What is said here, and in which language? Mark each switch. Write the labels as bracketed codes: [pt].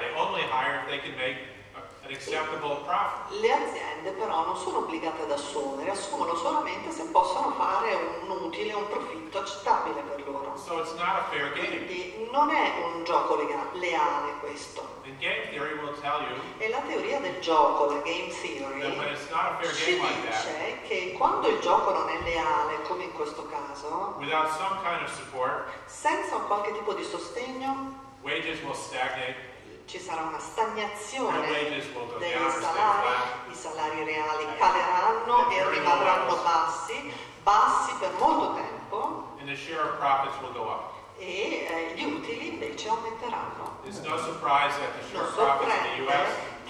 [en] They only hire if they can make an acceptable profit. [it] Le aziende però non sono obbligate ad assumere. Assumono solamente se possono fare un utile, un profitto accettabile per loro. [en] So it's not a fair game. [it] Quindi non è un gioco leale questo. [en] And game theory will tell you. [it] E la teoria del gioco, la game theory, ci dice che quando il gioco non è leale, come in questo caso, [en] without some kind of support, [it] senza un qualche tipo di sostegno, [en] wages will stagnate, [it] ci sarà una stagnazione dei salari, i salari reali caleranno e rimarranno bassi, bassi per molto tempo, [en] and the share of profits will go up. [it] E gli utili invece aumenteranno. [en] It's no surprise that the share of profits in the US